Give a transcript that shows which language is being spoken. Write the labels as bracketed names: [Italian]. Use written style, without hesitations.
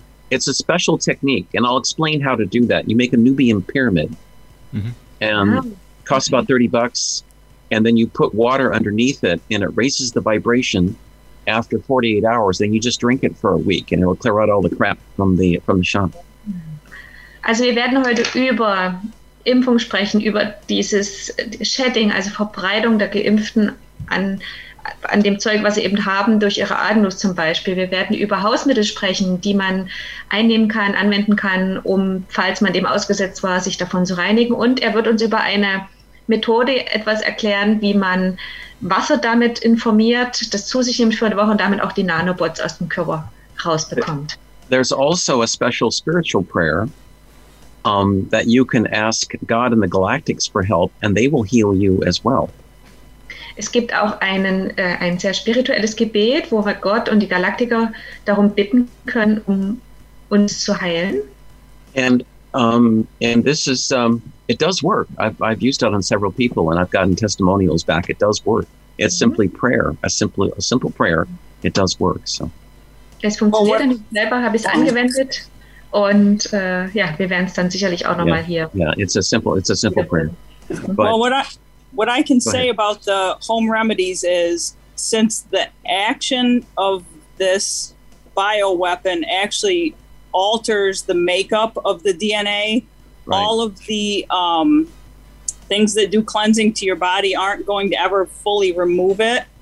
[English] It's a special technique, and I'll explain how to do that. You make a Nubian pyramid, and costs about $30, and then you put water underneath it, and it raises the vibration after 48 hours. Then you just drink it for a week, and it will clear out all the crap from the shop. [German] Also, wir werden heute über Impfung sprechen, über dieses Shedding, also Verbreitung der Geimpften an an dem Zeug, was sie eben haben, durch ihre Atemluft zum Beispiel. Wir werden über Hausmittel sprechen, die man einnehmen kann, anwenden kann, um, falls man dem ausgesetzt war, sich davon zu reinigen. Und er wird uns über eine Methode etwas erklären, wie man Wasser damit informiert, das zu sich nimmt für eine Woche und damit auch die Nanobots aus dem Körper rausbekommt. [English] There's also a special spiritual prayer that you can ask God and the Galactics for help and they will heal you as well. [German] Es gibt auch einen ein sehr spirituelles Gebet, wo wir Gott und die Galaktiker darum bitten können, um uns zu heilen. [English] And this is it does work. I've used it on several people and I've gotten testimonials back. It does work. It's simply prayer, a simple prayer. It does work. So. [German] Es funktioniert. Und ich selber habe es angewendet und wir werden es dann sicherlich auch nochmal hier. [English] Yeah, it's a simple prayer. But, well, what I can say about the home remedies is, since the action of this bioweapon actually alters the makeup of the DNA, right, all of the things that do cleansing to your body aren't going to ever fully remove it.